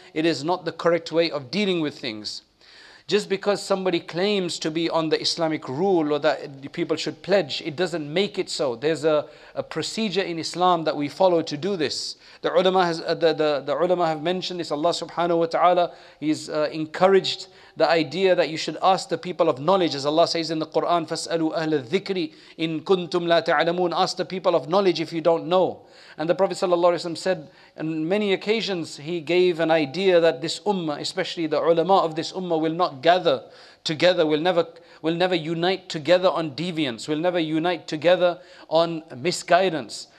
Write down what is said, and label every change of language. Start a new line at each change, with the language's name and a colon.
English: It is not the correct way of dealing with things. Just because somebody claims to be on the Islamic rule, or that people should pledge, it doesn't make it so. There's a procedure in Islam that we follow to do this. The ulama have mentioned this. Allah subhanahu wa ta'ala, he's encouraged the idea that you should ask the people of knowledge. As Allah says in the Quran,
Arabic: فَاسْأَلُوا أَهْلَ الذِّكْرِ إِن كُنْتُمْ لَا تَعْلَمُونَ.
English: Ask the people of knowledge if you don't know. And the Prophet ﷺ said, on many occasions, he gave an idea that this ummah, especially the ulama of this ummah, will not gather together, will never unite together on deviance, will never unite together on misguidance.